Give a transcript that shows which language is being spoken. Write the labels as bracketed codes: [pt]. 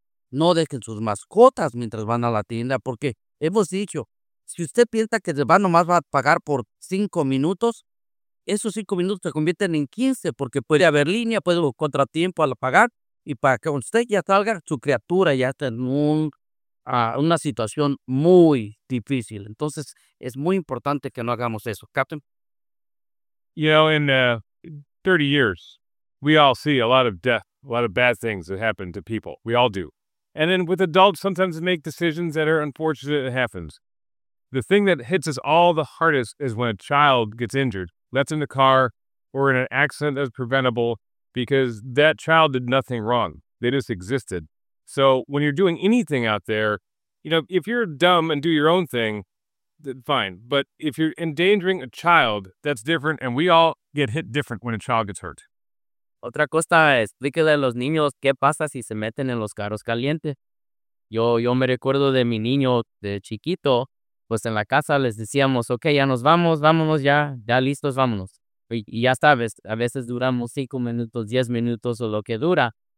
[es] No dejen sus mascotas mientras van a la tienda, porque hemos dicho, si usted piensa que va nomás va a pagar por 5 minutos, esos 5 minutos se convierten en 15, porque puede haber línea, puede haber contratiempo al pagar, y para que usted ya salga, su criatura ya está en una situación muy difícil. Entonces, es muy importante que no hagamos eso. [en] Captain? You know, in 30 years, we all see a lot of death, a lot of bad things that happen to people. We all do. And then with adults, sometimes make decisions that are unfortunate, it happens. The thing that hits us all the hardest is when a child gets injured, left in the car, or in an accident that's preventable, because that child did nothing wrong. They just existed. So when you're doing anything out there, you know, if you're dumb and do your own thing, fine. But if you're endangering a child, that's different, and we all get hit different when a child gets hurt. [es] Otra cosa, explíquele a los niños qué pasa si se meten en los carros calientes. Yo me recuerdo de mi niño de chiquito, pues en la casa les decíamos, ok, ya nos vamos, vámonos ya, ya listos, vámonos. Y ya sabes, a veces duramos 5 minutos, 10 minutos o lo que dura.